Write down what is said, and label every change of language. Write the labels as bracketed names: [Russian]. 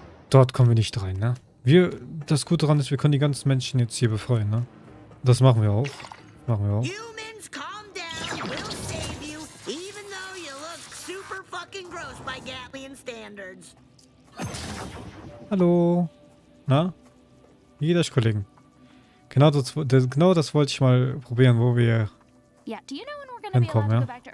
[German] Dort kommen wir nicht rein, ne? Wir, das Gute daran ist, wir können die ganzen Menschen jetzt hier befreien, ne? Das machen wir auch. Machen wir auch. [English] Humans, calm down. We'll save you, even though you look super fucking gross by Gatlian standards. [German] Hallo. Na? Jeder Kollegen. Genau das wollte ich mal probieren, wo wir hinkommen, ja?